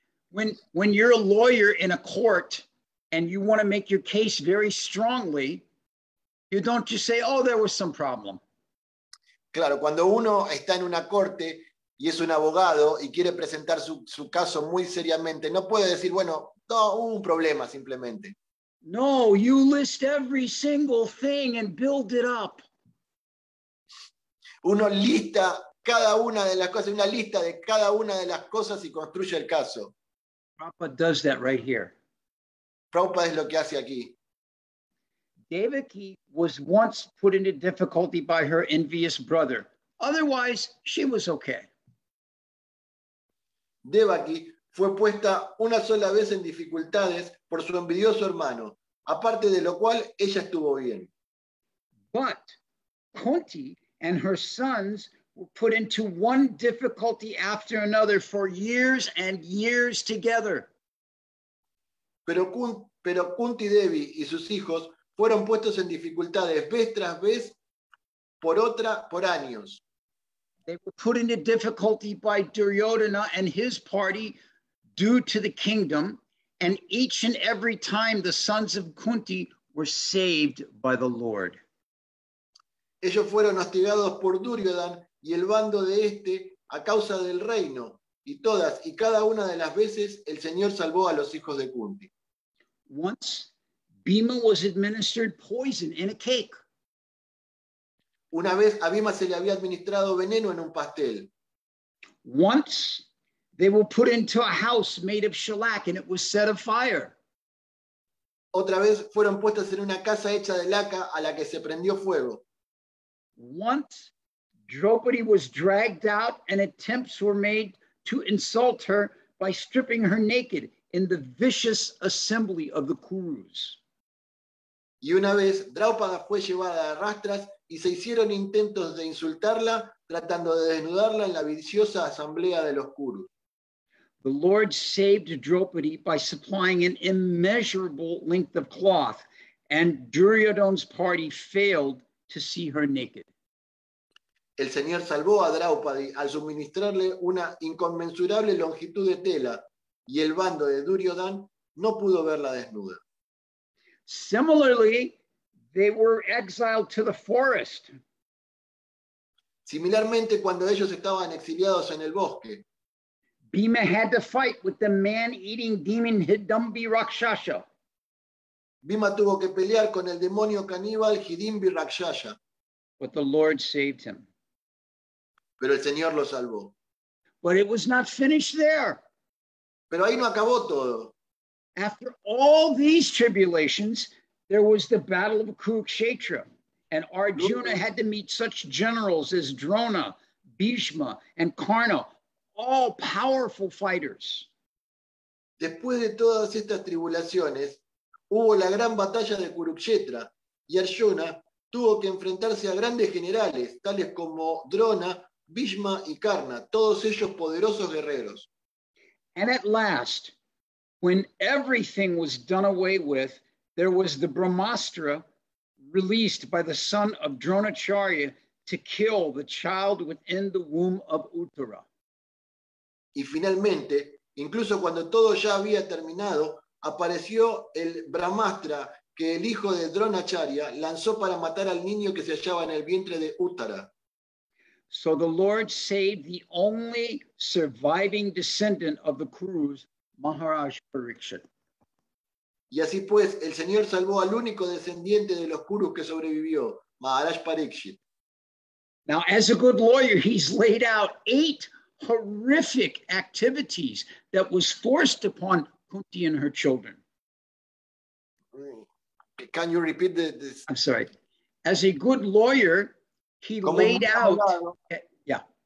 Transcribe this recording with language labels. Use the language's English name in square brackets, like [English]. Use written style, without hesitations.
[English] When you're a lawyer in a court and you want to make your case very strongly, you don't just say, "Oh, there was some problem." [Spanish] Claro, cuando uno está en una corte y es un abogado y quiere presentar su caso muy seriamente, no puede decir, bueno, hubo un problema simplemente. [English] No, you list every single thing and build it up. [Spanish] Uno lista cada una de las cosas, una lista de cada una de las cosas y construye el caso. [English] Prabhupada does that right here. [Spanish] Prabhupada es lo que hace aquí. [English] Devaki was once put into difficulty by her envious brother. Otherwise, she was okay. [Spanish] Devaki fue puesta una sola vez en dificultades por su envidioso hermano, aparte de lo cual, ella estuvo bien. [English] But Kunti and her sons were put into one difficulty after another for years and years together. [Spanish] Pero Kunti Devi y sus hijos fueron puestos en dificultades vez tras vez por años. [English] They were put into difficulty by Duryodhana and his party due to the kingdom, and each and every time the sons of Kunti were saved by the Lord. [Spanish] Ellos fueron hostigados por Duryodhana y el bando de este a causa del reino, y todas y cada una de las veces el Señor salvó a los hijos de Kunti. [English] Once Bhima was administered poison in a cake. [Spanish] Una vez a Bhima se le había administrado veneno en un pastel. [English] Once they were put into a house made of shellac and it was set afire. [Spanish] Otra vez fueron puestas en una casa hecha de laca a la que se prendió fuego. [English] Once Draupadi was dragged out and attempts were made to insult her by stripping her naked in the vicious assembly of the Kurus. [Spanish] Y una vez Draupada fue llevada a rastras y se hicieron intentos de insultarla tratando de desnudarla en la viciosa asamblea de los Kurus. [English] The Lord saved Draupadi by supplying an immeasurable length of cloth, and Duryodhana's party failed to see her naked. [Spanish] El Señor salvó a Draupadi al suministrarle una inconmensurable longitud de tela y el bando de Duryodhana no pudo verla desnuda. [English] Similarly, they were exiled to the forest. [Spanish] Similarmente, cuando ellos estaban exiliados en el bosque, [English] Bhima had to fight with the man-eating demon Hidimbi Rakshasa. [Spanish] Bhima tuvo que pelear con el demonio caníbal Hidimbi Rakshasa. [English] But the Lord saved him. [Spanish] Pero el Señor lo salvó. [English] But it was not finished there. [Spanish] Pero ahí no acabó todo. [English] After all these tribulations, There was the Battle of Kurukshetra, and Arjuna had to meet such generals as Drona, Bhishma, and Karna, all powerful fighters. [Spanish] Después de todas estas tribulaciones, hubo la gran batalla de Kurukshetra, y Arjuna tuvo que enfrentarse a grandes generales, tales como Drona, Bhishma y Karna, todos ellos poderosos guerreros. [English] And at last, when everything was done away with, there was the Brahmastra released by the son of Dronacharya to kill the child within the womb of Uttara. [Spanish] Y finalmente, incluso cuando todo ya había terminado, apareció el Brahmastra que el hijo de Dronacharya lanzó para matar al niño que se hallaba en el vientre de Uttara. [English] So the Lord saved the only surviving descendant of the Kurus, Maharaj Parikshit. [Spanish] Y así pues, el Señor salvó al único descendiente de los Kurus que sobrevivió, Maharaj Parikshit. [English] Now, as a good lawyer, he's laid out 8 horrific activities that was forced upon Kunti and her children. Can you repeat this? I'm sorry. As a good lawyer, he laid out... Yeah.